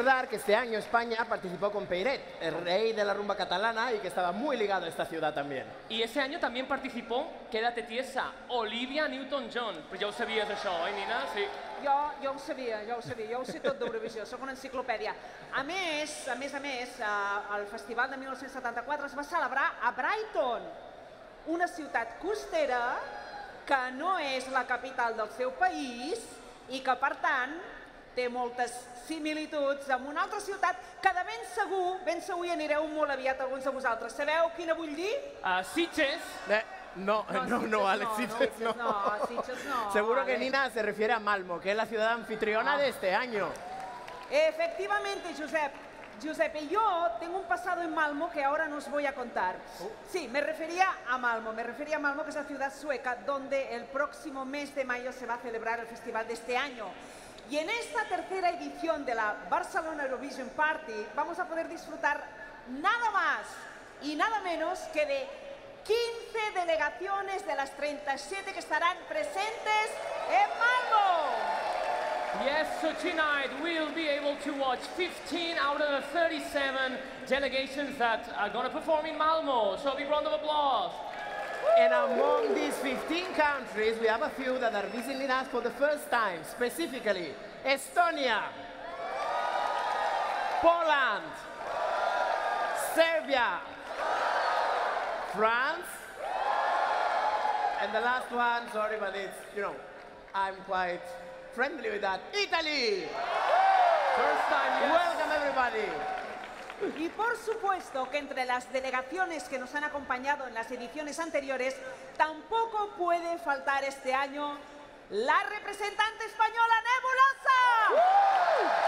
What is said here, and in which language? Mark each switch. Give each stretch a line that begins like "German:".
Spanish: Este año España participó con Peyret, el rey de la rumba catalana y que estaba muy ligado a esta ciudad también. Y ese año también participó, quédate tiesa, Olivia Newton-John. Pues ya lo sabías eso, ¿eh, Nina? Sí. Yo lo sabía, yo lo sé todo de Eurovisió, soy una enciclopedia.
Catalan: A més, el festival de 1974 se va celebrar a Brighton,
Spanish: una ciudad costera que no es la capital
Catalan: del seu país y que, per tant, té moltes similituds amb una altra ciutat que de ben segur hi anireu molt aviat alguns de vosaltres. Sabeu quina vull dir? Sitges.
Spanish: No, Alex, Sitges no. Seguro que Nina se refiere a Malmo, que es la ciudad anfitriona de este año. Efectivamente, Josep, yo tengo un pasado en Malmo que ahora no os voy a contar. Sí, me refería a Malmo, que es la ciudad sueca donde el próximo mes de mayo se va a celebrar el festival de este año. Y en esta tercera edición de la Barcelona Eurovision Party vamos a poder disfrutar nada más y nada menos que de 15 delegaciones de las 37 que estarán presentes en Malmo.
English: Yes, so tonight we'll be able to watch 15 out of the 37 delegations that are going to perform in Malmo. So a big round of applause. And among these 15 countries, we have a few that are visiting us for the first time, specifically Estonia, Poland, Serbia, France, and the last one, sorry, but it's, you know, I'm quite friendly with that, Italy! First time, yes. Welcome, everybody!
Spanish: Y por supuesto que entre las delegaciones que nos han acompañado en las ediciones anteriores, tampoco puede faltar este año la representante española Nebulosa.